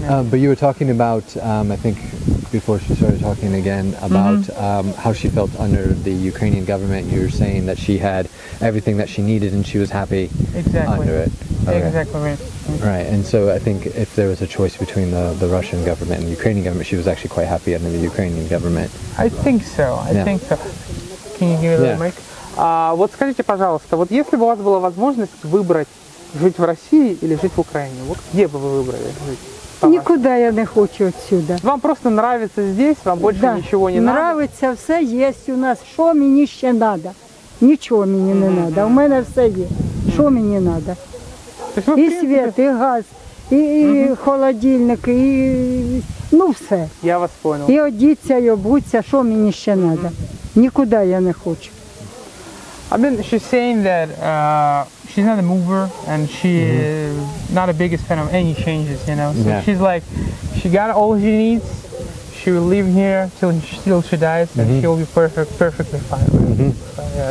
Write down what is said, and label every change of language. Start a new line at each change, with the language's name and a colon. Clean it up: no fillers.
English: But you were talking about, I think, before she started talking again, about how she felt under the Ukrainian government. You were saying that she had everything that she needed and she was happy under it. Okay. Exactly right. Right, and so I think if there was a choice between the Russian government and the Ukrainian government, she was actually quite happy under the Ukrainian government. I think so. Can you give me the mic?
Russian: Вот скажите, пожалуйста, вот если бы у вас была возможность выбрать жить в России или жить в Украине? Вот где бы вы выбрали жить? Никуда я не хочу отсюда. Вам просто нравится здесь, вам больше ничего не нравится, Нравится, все есть у нас. Что мне еще надо? Ничего мне не надо. У меня все есть. Что мне надо? И свет, и газ, и холодильник, и... Ну, все. Я вас понял. И одеться, и обуться, что мне еще надо? Никуда я не хочу.
English: I mean, she's saying that she's not a mover, and she's not the biggest fan of any changes, you know? So she's like, she got all she needs, she will live here till she dies, and she'll be perfectly fine. Mm-hmm.